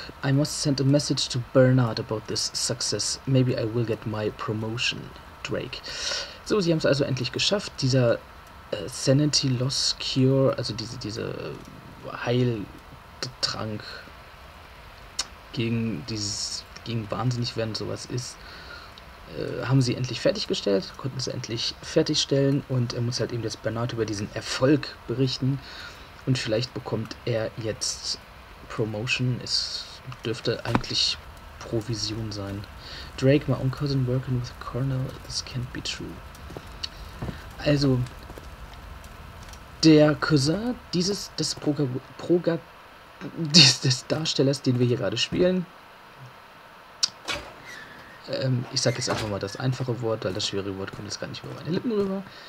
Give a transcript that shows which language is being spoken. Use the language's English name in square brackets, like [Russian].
[English] I must send a message to Bernard about this success. Maybe I will get my promotion. [German] Drake. So, sie haben es also endlich geschafft. Dieser Sanity Loss Cure, also diese Heiltrank gegen wahnsinnig werden, sowas ist, haben sie endlich fertiggestellt, konnten sie endlich fertigstellen und er muss halt eben jetzt Bernard über diesen Erfolg berichten und vielleicht bekommt er jetzt Promotion, es dürfte eigentlich Provision sein. [English] Drake, my own cousin working with a Colonel, this can't be true. [German] Also, der Cousin des Darstellers, den wir hier gerade spielen. Ich sag jetzt einfach mal das einfache Wort, weil das schwere Wort kommt jetzt gar nicht über meine Lippen rüber.